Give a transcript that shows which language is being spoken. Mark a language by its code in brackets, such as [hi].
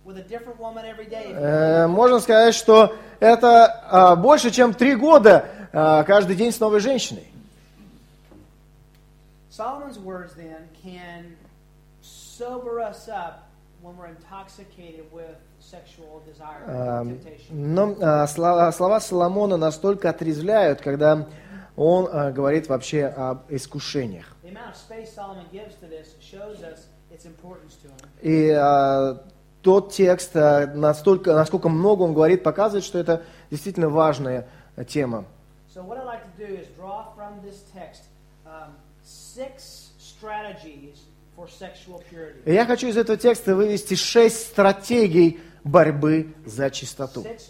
[ru] Можно сказать, что это больше, чем 3 года каждый день с новой женщиной. [en] Solomon's words then can sober us up when we're intoxicated with sexual desire and temptation. [ru] Но слова Соломона настолько отрезвляют, когда он говорит вообще об искушениях. [en] The amount of space Solomon gives to this shows us its importance to him. [ru] И тот текст, насколько много он говорит, показывает, что это действительно важная тема. [en] So what I'd like to do is draw from this text 6 strategies for sexual purity. [ru] Я хочу из этого текста вывести 6 стратегий борьбы за чистоту.